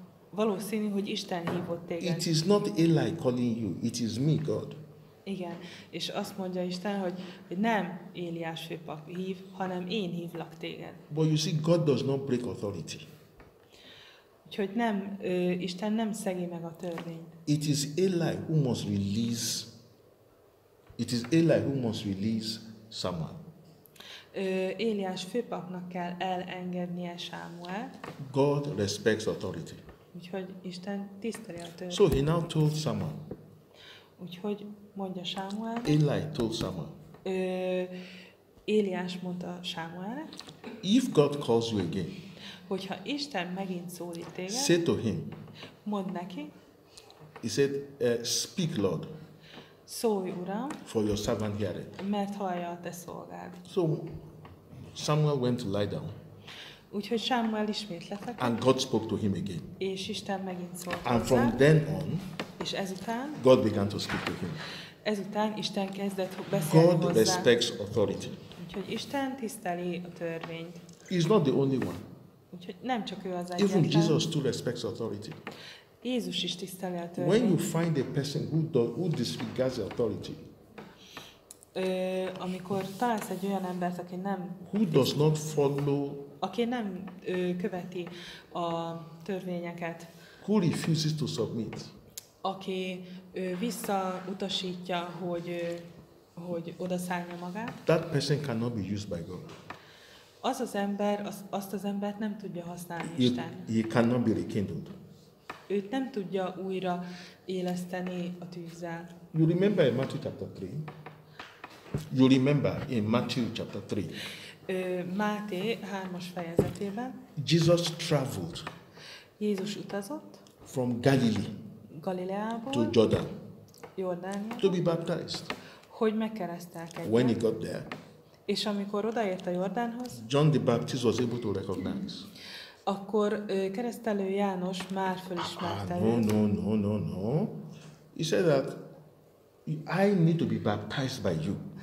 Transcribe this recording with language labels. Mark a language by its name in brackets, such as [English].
[Hungarian] Valószínű, hogy Isten hívott téged. [English] It is not Eli calling you, it is me, God. [Hungarian] Igen, és azt mondja Isten, hogy nem Eliás főpap hív, hanem én hívlak téged. [English] But you see, God does not break authority. [Hungarian] Úgyhogy nem, Isten nem szegi meg a törvényt. [English] It is Eli who must release. It is Eli who must release Samuel. [Hungarian] Eliás főpapnak kell elengednie Sámuelt. [English] God respects authority. [Hungarian] Úgyhogy Isten tiszteli a törvényt. [English] So he now told Samuel. [Hungarian] Úgyhogy mondja Samuel. [English] Eli told Samuel. [Hungarian] Eliás mondta Samuelnek. [English] If God calls you again. [Hungarian] Hogyha Isten megint szólít téged, [English] say to him, [Hungarian] mondd neki, [English] he said, speak, Lord, [Hungarian] szólj, Uram, [English] for your servant heareth, [Hungarian] mert hallja a te szolgád. [English] So Samuel went to lie down. [Hungarian] Úgyhogy Samuel ismét lefeküdt. [English] And God spoke to him again. [Hungarian] És Isten megint szólt hozzá. [English] And from then on, [Hungarian] és ezután, [English] God began to speak to him. [Hungarian] Ezután Isten kezdett beszélni hozzá. [English] God respects authority. [Hungarian] Úgyhogy Isten tiszteli a törvényt. [English] He's not the only one. [Hungarian] Úgyhogy nem csak ő az egyetlen. [English] Even Jesus too respects authority. [Hungarian] Jézus is tiszteli a törvényt. [English] When you find a person who disregards authority, [Hungarian] amikor találsz egy olyan embert, aki nem, [English] who does not follow, [Hungarian] aki nem követi a törvényeket, [English] who refuses to submit, [Hungarian] aki visszautasítja, hogy hogy odaszállja magát, [English] that person cannot be used by God. [Hungarian] Az az ember, azt az embert nem tudja használni Isten. [English] He cannot be rekindled. [Hungarian] Őt nem tudja újra éleszteni a tűzzel. [English] You remember in Matthew chapter 3? You remember in Matthew chapter 3? [Hungarian] Máté 3-as fejezetében [English] Jesus traveled. [Hungarian] Jézus utazott. [English] From Galilee. [Hungarian] Galileából. [English] To Jordan. [Hungarian] Jordánia. [English] To be baptized. [Hungarian] Hogy megkeresztelkedjen. [English] When he got there. [Hungarian] És amikor odaért a Jordánhoz, [English] John the Baptist was able to recognize. [Hungarian] Akkor keresztelő János már fölismerte. [English] No. He said that I need to be baptized by you.